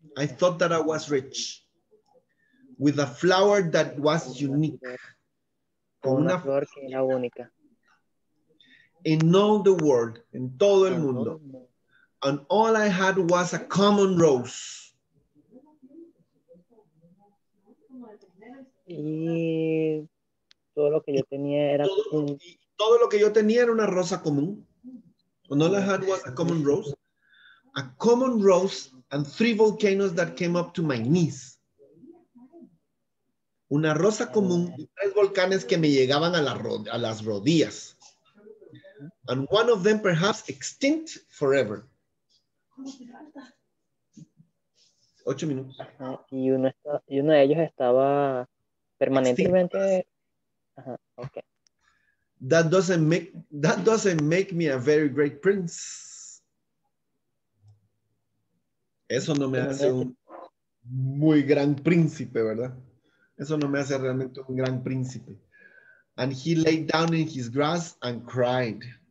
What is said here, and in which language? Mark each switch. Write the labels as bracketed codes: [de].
[en] I thought that I was rich with a flower that was unique. [es] Con una flor que era única. [en] In all the world, [es] en todo el mundo. [en] And all I had was a common rose. [es] Todo lo que yo tenía era una rosa común. [en] And all I had was a common rose. A common rose and three volcanoes that came up to my knees. [es] Una rosa común y tres volcanes que me llegaban a las rodillas. [en] And one of them perhaps extinct forever. [es] 8 minutos. Y uno de ellos estaba permanentemente. Uh-huh. Okay. [en] That doesn't make me a very great prince. [es] Eso no me hace un muy gran príncipe, ¿verdad? Eso no me hace realmente un gran príncipe. [en] And he lay down in his grass and cried.